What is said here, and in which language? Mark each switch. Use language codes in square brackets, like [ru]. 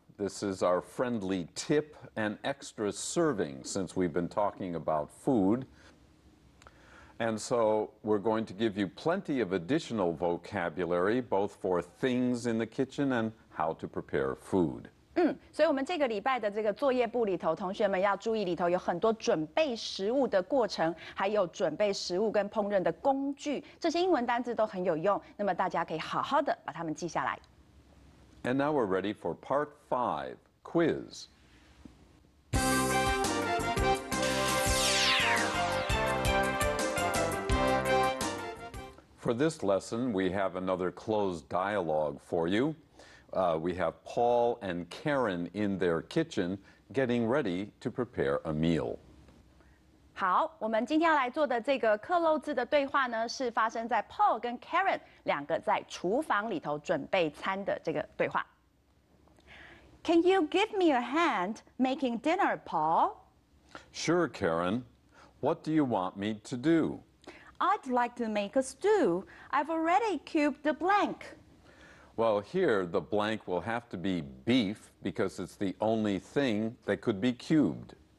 [en] This is our friendly tip and extra serving since we've been talking about food. And so we're going to give you plenty of additional vocabulary, both for things in the kitchen and how to prepare food. [zh] 所以我们这个礼拜的这个作业簿里头，同学们要注意里头有很多准备食物的过程，还有准备食物跟烹饪的工具，这些英文单字都很有用，那么大家可以好好的把它们记下来。 [en] And now we're ready for part five, quiz. For this lesson, we have another closed dialogue for you. We have Paul and Karen in their kitchen getting ready to prepare a meal. [zh] 好，我们今天要来做的这个克漏字的对话呢，是发生在 Paul 跟 Karen 两个在厨房里头准备餐的这个对话。 [en] Can you give me a hand making dinner, Paul? Sure, Karen. What do you want me to do? I'd like to make a stew. I've already cubed the blank. Well, here the blank will have to be beef because it's the only thing that could be cubed.